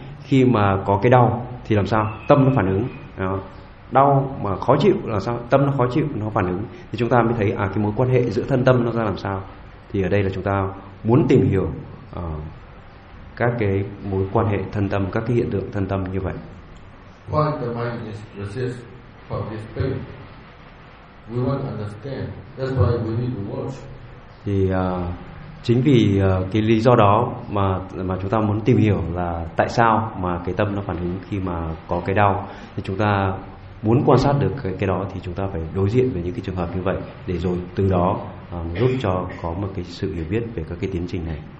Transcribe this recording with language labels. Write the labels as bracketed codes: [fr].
[vi] Khi mà có cái đau thì làm sao? Tâm nó phản ứng. Đó. Đau mà khó chịu là sao? Tâm nó khó chịu, nó phản ứng. Thì chúng ta mới thấy cái mối quan hệ giữa thân tâm nó ra làm sao. Thì ở đây là chúng ta muốn tìm hiểu các cái mối quan hệ thân tâm, các cái hiện tượng thân tâm như vậy. [en] Why the mind is resist from this pain? We want to understand. That's why we need to watch. [vi] Thì chính vì cái lý do đó mà chúng ta muốn tìm hiểu là tại sao mà cái tâm nó phản ứng khi mà có cái đau. Thì chúng ta muốn quan sát được cái đó thì chúng ta phải đối diện với những cái trường hợp như vậy, để rồi từ đó giúp cho có một cái sự hiểu biết về các cái tiến trình này.